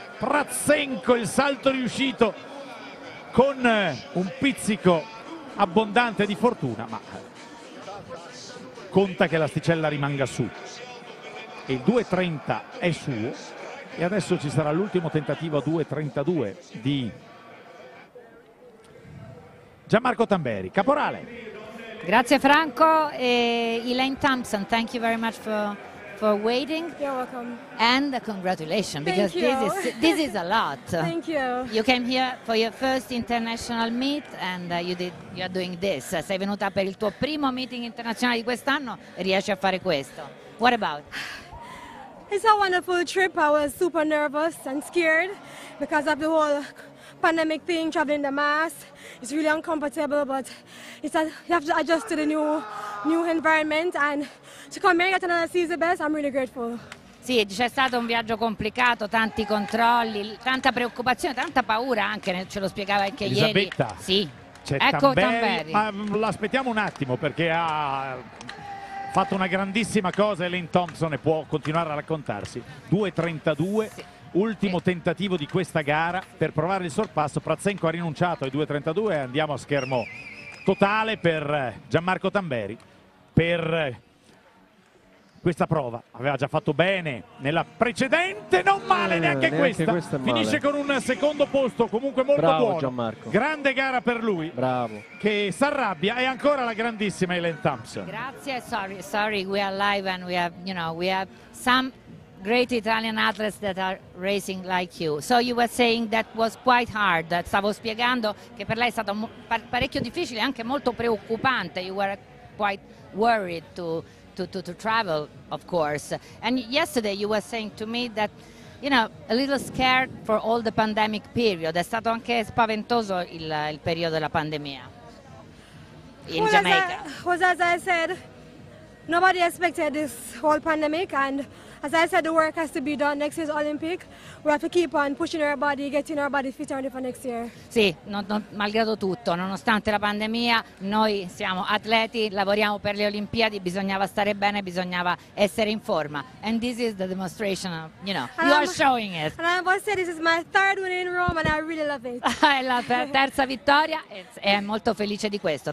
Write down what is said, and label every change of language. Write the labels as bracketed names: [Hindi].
[Italian] Pratsenko, il salto riuscito con un pizzico abbondante di fortuna, ma conta che l'asticella rimanga su. E il 2,30 è suo e adesso ci sarà l'ultimo tentativo a 2,32 di Gianmarco Tamberi, caporale. Grazie Franco. [English] Elaine Thompson, thank you very much for waiting. You're welcome. And congratulations, because thank you. this is a lot. Thank you. You came here for your first international meet and you are doing this. [Italian] Sei venuta per il tuo primo meeting internazionale di quest'anno e riesci a fare questo. [English] What about? It's a wonderful trip. I was super nervous and scared because of the whole pandemic thing, traveling the mask. It's really uncomfortable, but you have to adjust to the new environment, and to come here yet another season best, I'm really grateful. [Italian] Sì, c'è stato un viaggio complicato, tanti controlli, tanta preoccupazione, tanta paura anche, ce lo spiegava anche Elisabetta. Ieri. Sì. C'è ecco Tamberi. Ma l'aspettiamo un attimo perché ha fatto una grandissima cosa Elaine Thompson e può continuare a raccontarsi. 2:32, sì. Ultimo tentativo di questa gara per provare il sorpasso. Prazenko ha rinunciato ai 2:32 e andiamo a schermo totale per Gianmarco Tamberi per questa prova. Aveva già fatto bene nella precedente, non male neanche questa. Questa finisce male. Con un secondo posto comunque molto bravo, buono Gianmarco. Grande gara per lui, bravo, che s'arrabbia. E ancora la grandissima Elaine Thompson, grazie. [English] Sorry we are live and we have, you know, we have some great Italian athletes that are racing like you, so you were saying that was quite hard. [Italian] Stavo spiegando che per lei è stato parecchio difficile, anche molto preoccupante. [English] You were quite worried to travel, of course. And yesterday you were saying to me that, you know, a little scared for all the pandemic period. [Italian] È stato anche spaventoso il periodo della pandemia in Jamaica. [English] As I said, nobody expected this whole pandemic, and as I said, the work has to be done next year's Olympic. We have to keep on pushing our body, getting our body fit for next year. [Italian] Sì, malgrado tutto, nonostante la pandemia, noi siamo atleti, lavoriamo per le Olimpiadi, bisognava stare bene, bisognava essere in forma. [English] And this is the demonstration of, you know, and you are showing it. And I must say, this is my third win in Rome and I really love it. [Italian] È la terza vittoria e è molto felice di questo.